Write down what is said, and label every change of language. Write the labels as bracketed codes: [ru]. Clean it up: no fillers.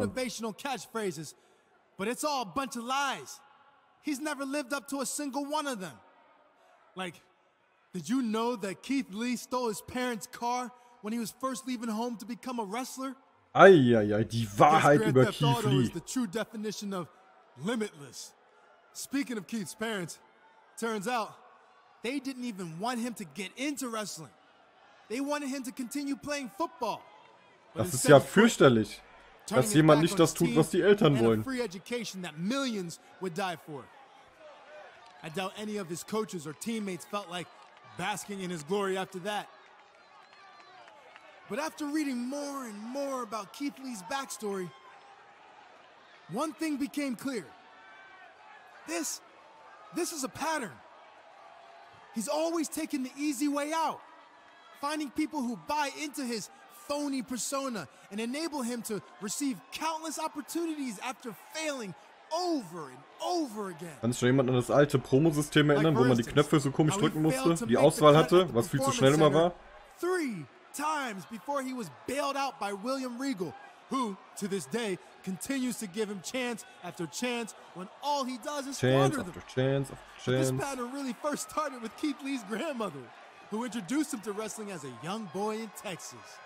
[en] Motivational catchphrases, but it's all a bunch of lies. He's never lived up to a single one of them. Like, did you know that Keith Lee stole his parents' car when he was first leaving home to become a wrestler? [de] Eieiei, die Wahrheit über Keith Lee. [en] The true definition of limitless. Speaking of Keith's parents, turns out they didn't even want him to get into wrestling. They wanted him to continue playing football. [de] Das ist ja fürchterlich, dass jemand nicht das tut, was die Eltern wollen. [en] Free education that millions would die for. I doubt any of his coaches or teammates felt like basking in his glory after that. But after reading more and more about Keith Lee's backstory, one thing became clear. This is a pattern. He's always taking the easy way out, finding people who buy into his phony persona and enable him to receive countless opportunities after failing over and over again. [de] Kann sich schon jemand an das alte Promosystem erinnern, wo man die Knöpfe so komisch drücken musste, die Auswahl hatte, was viel zu schnell immer war? [en] Three times before he was bailed out by William Regal, who to this day continues to give him chance after chance when all he does is chance after chance after chance. This pattern really first started with Keith Lee's grandmother, who introduced him to wrestling as a young boy in Texas.